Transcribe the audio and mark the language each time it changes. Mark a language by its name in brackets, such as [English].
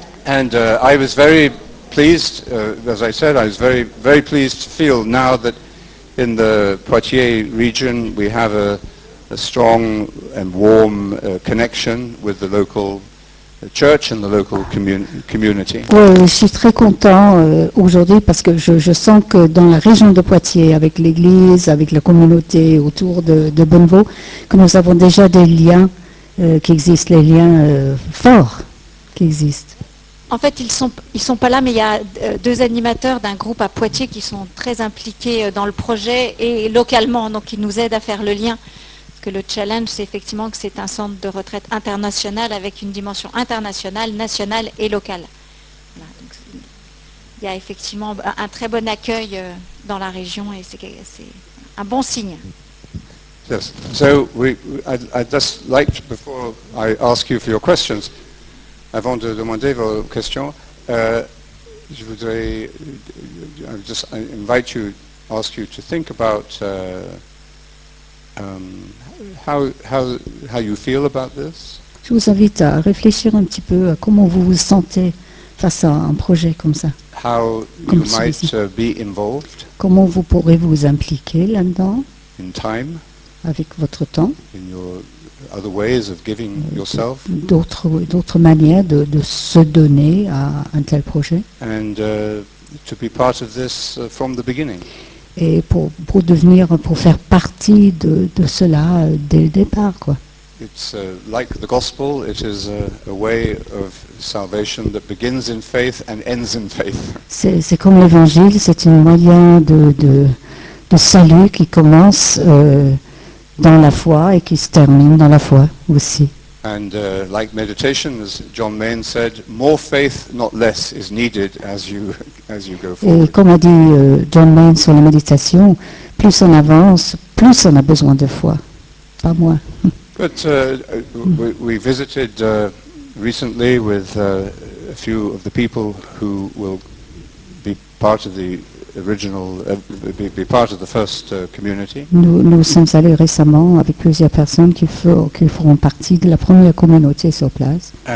[English] I was very pleased, as I said, I was very, very pleased to feel now that in the Poitiers region we have a strong and warm connection with the local church and the local community. [French] Oui, je suis très content aujourd'hui parce que je sens que dans la région de Poitiers, avec l'église, avec la communauté autour de Bonnevaux, que nous avons déjà des liens qui existent, les liens forts qui existent. En fait, ils sont pas là, mais il y a deux animateurs d'un groupe à Poitiers qui sont très impliqués dans le projet et localement, donc ils nous aident à faire le lien. Que le challenge, c'est effectivement que c'est un centre de retraite international avec une dimension internationale, nationale et locale. Voilà, donc, il y a effectivement un très bon accueil dans la région et c'est un bon signe. [English] Yes. So I'd just like to, before I ask you for your questions, [French] avant de demander vos questions, je voudrais [English] just invite you, ask you to think about how you feel about this? [French] Je vous invite à réfléchir un petit peu à comment vous vous sentez face à un projet comme ça. [English] How you might be involved? [French] Comment vous pourrez vous impliquer là-dedans? [English] In time? [French] Avec votre temps? [English] In your other ways of giving yourself? [French] D'autres manières de se donner à un tel projet? [English] And to be part of this from the beginning? [French] Et pour devenir, pour faire partie de cela dès le départ, quoi. [English] It's like the gospel, it is a way of salvation that begins in faith and ends in faith. [French] C'est comme l'évangile, c'est un moyen de salut qui commence dans la foi et qui se termine dans la foi aussi. [English] And like meditation, as John Maine said, more faith, not less, is needed as you go forward. [French] Et comme a dit John Maine sur la méditation, plus on avance, plus on a besoin de foi, pas moins. [English] But we visited recently with a few of the people who will be part of the original, be part of the first community. [French] Nous sommes allés récemment avec plusieurs personnes qui feront partie de la première communauté sur place.